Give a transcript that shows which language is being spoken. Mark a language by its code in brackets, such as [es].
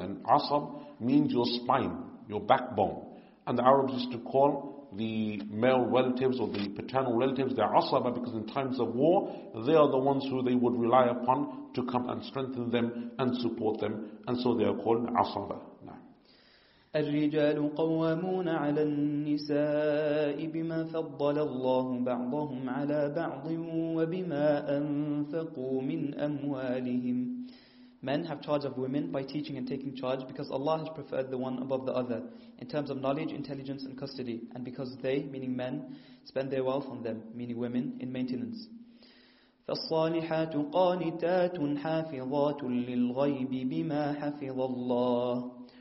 [en] And asab means your spine, your backbone. And the Arabs used to call the male relatives or the paternal relatives their asaba, because in times of war, they are the ones who they would rely upon to come and strengthen them and support them. And so they are called asaba. [ar] الرجال قوامون على النساء بما فضل الله بعضهم على بعض وبما أنفقوا من أموالهم. [en] Men have charge of women by teaching and taking charge, because Allah has preferred the one above the other in terms of knowledge, intelligence and custody, and because they, meaning men, spend their wealth on them, meaning women, in maintenance. [ar] فالصالحات قانتات حافظات للغيب بما حفظ الله.